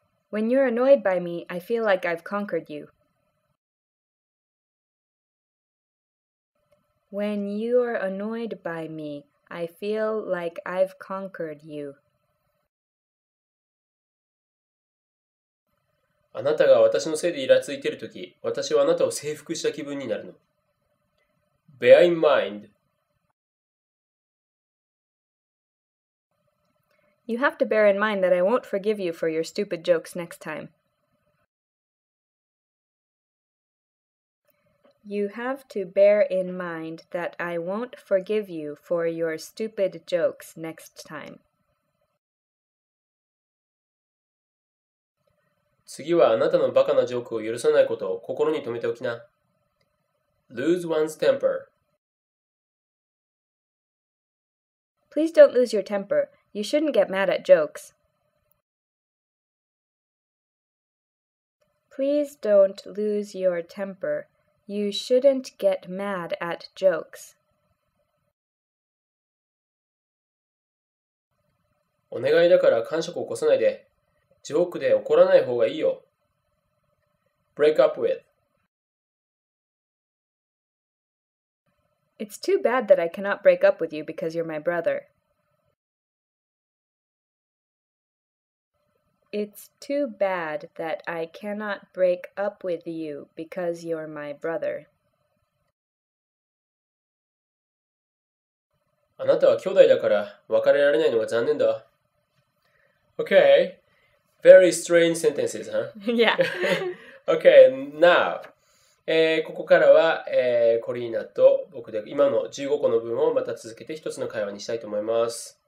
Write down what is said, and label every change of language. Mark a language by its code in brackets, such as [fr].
[en] When you're annoyed by me, I feel like I've conquered you. When you're annoyed by me, I feel like I've conquered you. [ja] あなたが私のせいでイラついているとき、私はあなたを征服した気分になるの。 [en] Bear in mind. You have to bear in mind that I won't forgive you for your stupid jokes next time. You have to bear in mind that I won't forgive you for your stupid jokes next time. [ja] 次はあなたのバカなジョークを許さないことを心に留めておきな。 [en] Lose one's temper. Please don't lose your temper. You shouldn't get mad at jokes. Please don't lose your temper. You shouldn't get mad at jokes. [ja] お願いだから癇癪を起こさないで。ジョークで怒らない方がいいよ。 [en] Break up with. It's too bad that I cannot break up with you because you're my brother. It's too bad that I cannot break up with you because you're my brother. [ja] あなたは兄弟だから別れられないのが残念だ。 [en] Okay, very strange sentences, huh? Yeah. Okay, now, [ja] ここからは、コリーナと僕で今の15個の文をまた続けて一つの会話にしたいと思います。